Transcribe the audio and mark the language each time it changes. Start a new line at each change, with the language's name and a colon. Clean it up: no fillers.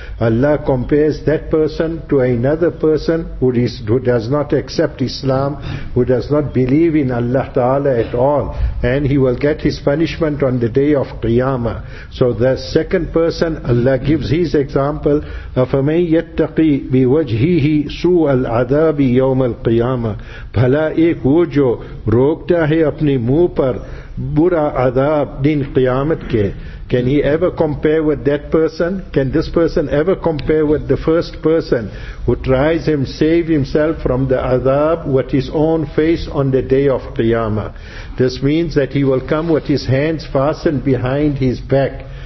English: Allah compares that person to another person who does not accept Islam, who does not believe in Allah Ta'ala at all, and he will get his punishment on the day of Qiyamah. So the second person, Allah gives his example of
Arabic: مَنْ يَتَّقِي بِوَجْهِهِ سُوَ الْعَذَابِ يَوْمَ الْقِيَامَةِ.
Urdu: بھلا ایک وہ جو روکتا ہے اپنی منہ پر برا عذاب دن قیامت کے.
English: Can he ever compare with that person? Can this person ever compare with the first person who tries him save himself from the adab with his own face on the day of Qiyamah? This means that he will come with his hands fastened behind his back.